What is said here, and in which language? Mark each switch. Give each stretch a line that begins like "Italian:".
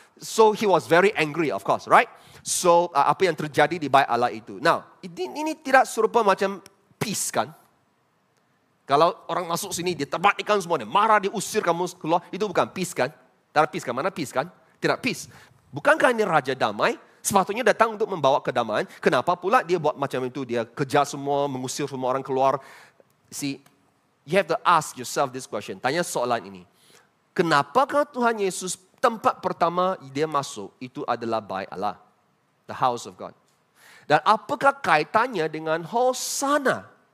English: So he was very angry of course, right?
Malay: So apa yang terjadi di bait Allah itu. Now, ini tidak serupa macam peace kan? Kalau orang masuk sini, dia terbatikan semuanya. Marah, diusir kamu keluar. Itu bukan peace kan? Tidak peace kan? Mana peace kan? Tidak peace. Bukankah ini Raja Damai? Sepatutnya datang untuk membawa kedamaian. Kenapa pula dia buat macam itu? Dia kejar semua, mengusir semua orang keluar.
English: See, you have to ask yourself this question.
Malay: Tanya soalan ini. Kenapakah Tuhan Yesus tempat pertama dia masuk itu adalah bait Allah?
English: The house of God.
Malay: Dan apakah kaitannya dengan Hosana?